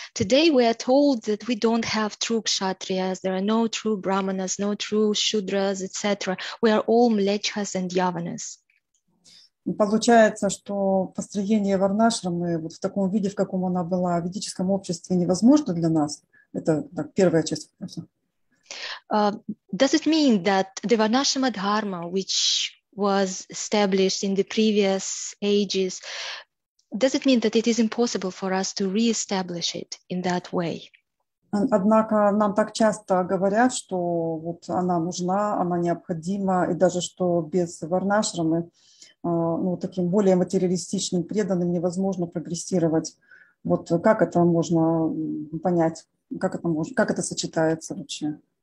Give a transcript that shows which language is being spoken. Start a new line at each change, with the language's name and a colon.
English: Today we are told that we don't have true kshatriyas, there are no true brahmanas, no true shudras, etc. We are all mlechas and yavanas.
Russian: Получается, что построение варнашрамы вот в таком виде, в каком она была в ведическом обществе, невозможно для нас? Это так, первая часть вопроса.
English: Does it mean that the Varnashrama Dharma, which was established in the previous ages, does it mean that it is impossible for us to re-establish it in that way?
Russian: Однако нам так часто говорят, что вот она нужна, она необходима, и даже что без Варнашрамы, ну, таким более материалистичным преданным невозможно прогрессировать. Вот как это можно понять, как это сочетается вообще?